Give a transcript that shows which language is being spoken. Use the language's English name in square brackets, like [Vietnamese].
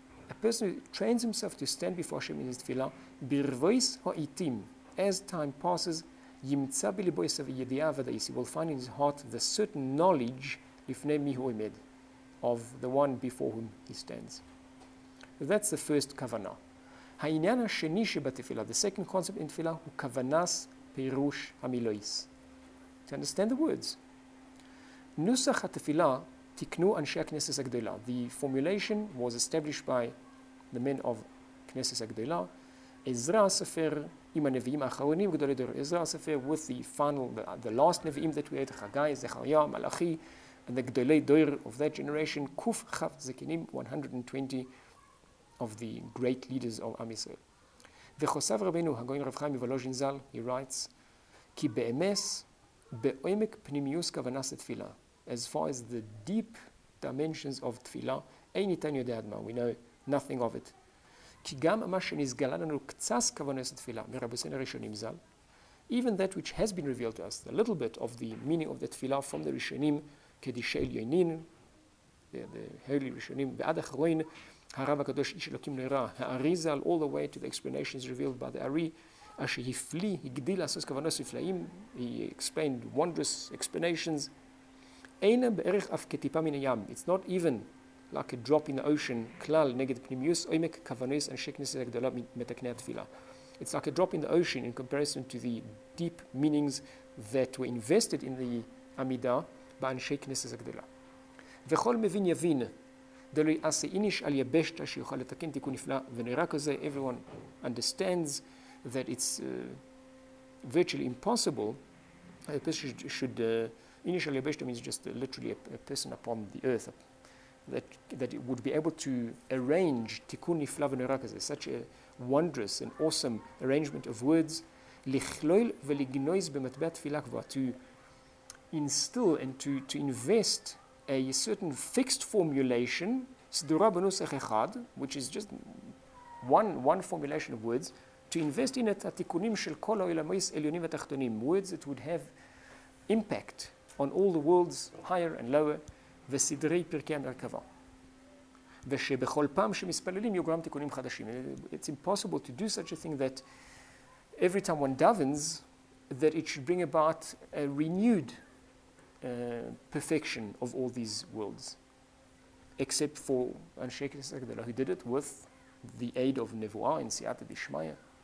[English] A person who trains himself to stand before Hashem in his tefillah, [Hebrew] birvois ha'itim, [English] as time passes, [Hebrew] yimtza b'libo yisav yediyah v'dayis, [English] he will find in his heart the certain knowledge, [Hebrew] lifnei mihu emed, [English] of the one before whom he stands. That's the first kavanah. [Hebrew] העניין השני שבתפילה, [English] the second concept in [Hebrew] תפילה, הוא כוונס פירוש המילויס. [English] To understand the words. [Hebrew] נוסח התפילה תקנו אנשי הכנסת הגדולה. [English] The formulation was established by the men of כנסת הגדולה. [Hebrew] עזרא הספר עם הנביאים האחרונים גדולי דור. עזרא הספר [English] with the final, the last נביאים that we had, חגי, זכריה, מלאכי, and the גדולי דור of that generation, [Hebrew] קוף חף זקנים, [English] 120 of the great leaders of Am Yisrael. [Hebrew] וחוסב רבנו, הגאון רב חיים מוולוז'ין ז"ל, [English] he writes, [Hebrew] כי באמס, בעומק פנימיוס כוונס לתפילה, [English] as far as the deep dimensions of [Hebrew] תפילה, אין ניתן יודע עד מה, [English] we know nothing of it. [Hebrew] כי גם מה שנסגלה לנו קצס כוונס לתפילה, מרבוסין הראשונים ז"ל, [English] even that which has been revealed to us, a little bit of the [Hebrew] meaning of the תפילה from the ראשונים, כדישי עליונין, [English] the holy [Hebrew] ראשונים, ועד אחרוין, הרב הקדוש איש אלוקים נראה, האריזה על [English] all the way to the explanations revealed by the [Hebrew] ארי, אשר הפלי, הגדיל לעשות כוונות נפלאים, [English] he explained wondrous explanations, [Hebrew] אינה בערך אף כטיפה מן הים, [English] it's not even like a drop in the ocean, [Hebrew] כלל נגד פנימיוס, עומק כוונות אנשי כנסת הגדולה מתקני התפילה. [English] It's like a drop in the ocean in comparison to the deep meanings that were invested in the עמידה באנשי כנסת הגדולה. [Hebrew] וכל מבין יבין, דלוי עשה איניש על יבשתה שיוכל לתקן תיקון נפלא ונראה כזה, [English] everyone understands that it's virtually impossible. A person should, [Hebrew] איניש על יבשתה [English] means just literally a person upon the earth, that it would be able to arrange [Hebrew] תיקון נפלא ונראה כזה, [English] such a wondrous and awesome arrangement of words, [Hebrew] לכלול ולגנויז במטבע תפילה כבר, [English] to instill and to invest a certain fixed formulation, [Hebrew] סדורה בנוסח אחד, [English] which is just one formulation of words, to invest in it [Hebrew] התיקונים של כל העולמות העליונים והתחתונים, [English] words that would have impact on all the worlds, higher and lower, [Hebrew] וסדרי פרקי המרכבה. ושבכל פעם שמספללים יוגרם תיקונים חדשים. [English] It's impossible to do such a thing that every time one davens, that it should bring about a renewed perfection of all these worlds, except for Anshei Knesset HaGdola, who did it with the aid of Nevoah in [Hebrew] Siyata Dishmaya.